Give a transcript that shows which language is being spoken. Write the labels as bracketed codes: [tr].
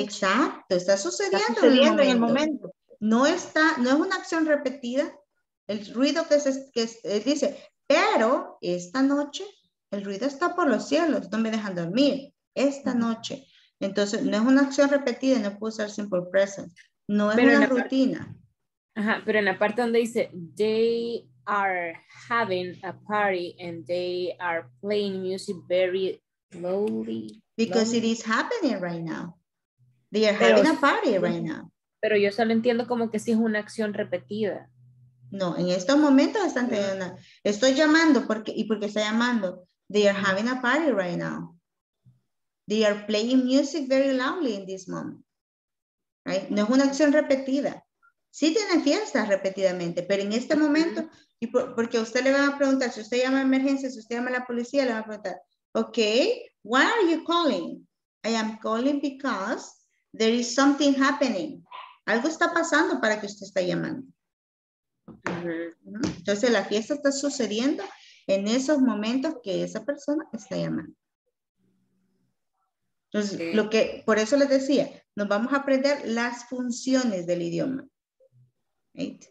[es] Exacto, está sucediendo, está sucediendo en el momento. No está, no es una acción repetida. El ruido que él dice, pero esta noche, el ruido está por los cielos, no me dejan dormir, esta noche. Entonces, no es una acción repetida, no puedo usar simple present. No es pero una rutina. Ajá, pero en la parte donde dice, [en] they are having a party and they are playing music very slowly. Because it is happening right now. They are having a party right now. [es] Pero yo solo entiendo como que sí es una acción repetida. No, en estos momentos están teniendo una. Estoy llamando porque, y porque está llamando. [en] They are having a party right now. They are playing music very loudly in this moment. [es] Right? No es una acción repetida. Sí tienen fiestas repetidamente, pero en este momento, y por, porque a usted le van a preguntar, si usted llama a emergencia, si usted llama a la policía, le van a preguntar, [en] ok, why are you calling? I am calling because there is something happening. [es] Algo está pasando para que usted esté llamando. Entonces la fiesta está sucediendo en esos momentos que esa persona está llamando. Entonces, lo que, por eso les decía, nos vamos a aprender las funciones del idioma. Right?